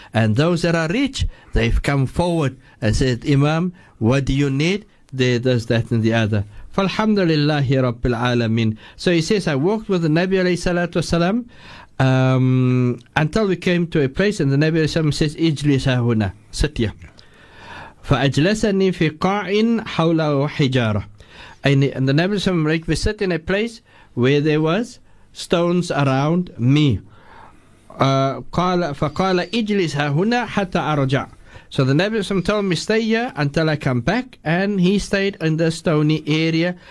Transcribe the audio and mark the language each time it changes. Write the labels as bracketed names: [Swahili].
[English] And those that are rich, they've come forward and said, Imam, what do you need? There, there's that and the other. Alhamdulillahi Rabbil Alameen. So he says, I walked with the Nabi alayhi salatu wasalam until we came to a place, and the Nabi alayhi salam says, [Arabic] Ijlisa huna, [English] sit here. [Arabic] فأجلسني في قاع حول حجارة. [English] And the Nabi alayhi salam made me sit in a place where there was stones around me. [Arabic] فقال اجلس هنا حتى أرجع. [English] So the Nabi alayhi salam told me, stay here until I come back. And he stayed in the stony area.